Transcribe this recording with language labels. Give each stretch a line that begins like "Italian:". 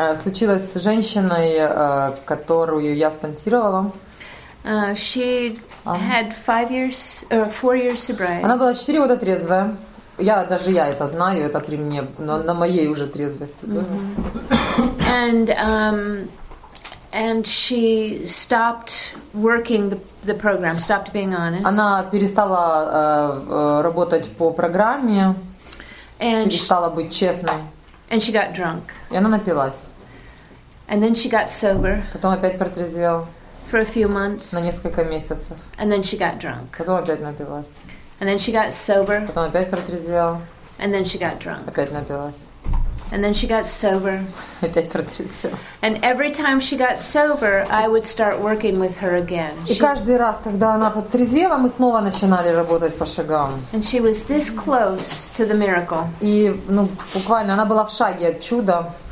Russian: Случилось с женщиной, которую я спонсировала.
English: She had 5 years, 4 years sobriety.
Russian: Она была 4 года трезвая. Я это знаю, это при мне, но на моей уже трезвости. Mm-hmm. Да?
English: And she stopped working the program, stopped being honest.
Russian: Она перестала работать по программе.
English: And
Russian: перестала быть честной.
English: And she got drunk.
Russian: И она напилась.
English: And then she got sober.
Russian: Потом опять протрезвела.
English: For a few months.
Russian: На несколько месяцев.
English: And then she got drunk.
Russian: Потом опять напилась.
English: And then she got sober.
Russian: Потом опять протрезвела.
English: And then she got drunk.
Russian: Опять напилась.
English: And then she got sober.
Russian: Опять протрезвела.
English: And every time she got sober, I would start working with her again.
Russian: И каждый раз, когда она протрезвела, мы снова начинали работать по шагам.
English: And she was this close to the miracle.
Russian: И, ну, буквально, она была в шаге от чуда.